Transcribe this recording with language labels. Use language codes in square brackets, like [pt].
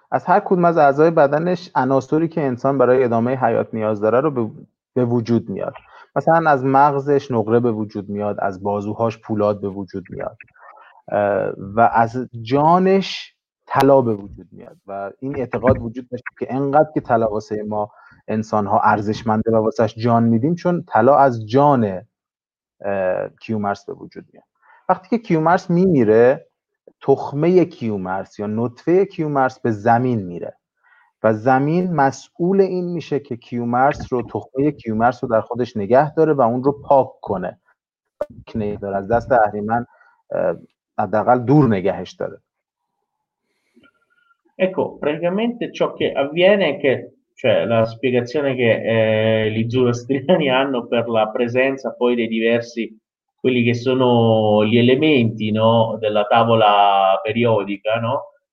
[fa] As har kudom az a'zay badanesh anasuri ke insan baraye edame hayat niyaz dare ro به وجود میاد. مثلا از مغزش نقره به وجود میاد، از بازوهاش پولاد به وجود میاد و از جانش طلا به وجود میاد و این اعتقاد وجود داشت که انقدر که طلا واسه ما انسان ها ارزشمنده و واسهش جان میدیم چون طلا از جان کیومرث به وجود میاد. وقتی که کیومرث میمیره تخمه کیومرث یا نطفه کیومرث به زمین میره و زمین مسئول این میشه که کیومرث رو تخمه کیومرث رو در خودش نگه داره و اون رو پاک کنه. از دست اهریمن حداقل دور نگهش داره. [it] Ecco, praticamente ciò che avviene è che, cioè, la spiegazione che gli zoroastriani hanno per la presenza poi dei diversi, quelli che sono gli elementi, no, della tavola periodica, no?